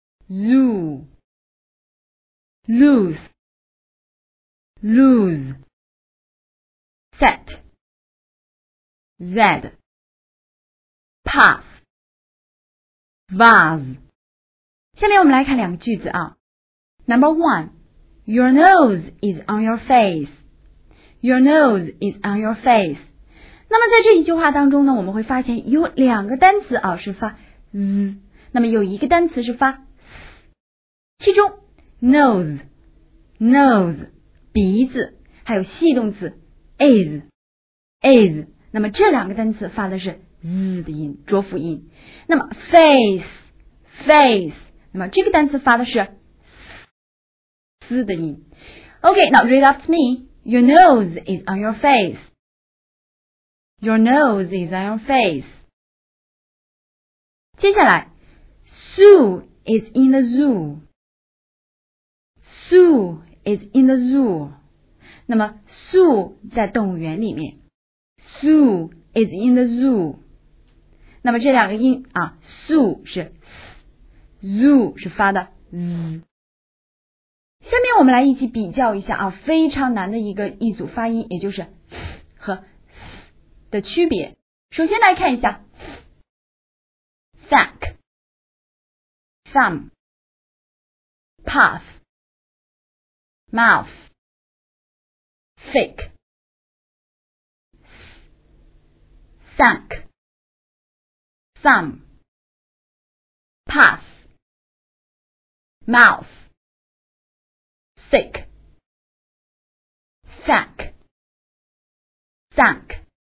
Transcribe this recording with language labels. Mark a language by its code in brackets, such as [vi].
[en] Zoo, lose, lose, set, zed, pass, vase. [zh] 下面我们来看两个句子啊。 [en] Number one, your nose is on your face. Your nose is on your face. [zh] 那么在这一句话当中呢，我们会发现有两个单词啊是发 z, 那么有一个单词是发。其中 [en] nose [zh] 鼻子，还有系动词 is 那么这两个单词发的是 z 的音，浊辅音。那么 face 那么这个单词发的是 s 的音。 [en] OK, now read after me. Your nose is on your face. Your nose is on your face. [zh] 接下来 [en] Sue is in the zoo. Sue is in the zoo. [zh] 那么 Sue 在动物园里面。 [en] Sue is in the zoo. [zh] 那么这两个音啊， Sue 是 s, Zoo 是发的 z. 下面我们来一起比较一下啊，非常难的一个一组发音，也就是和的区别。首先来看一下 [en] thank, thumb, path, mouth, thick, thank, thumb, path, mouth, thick, thank, thank.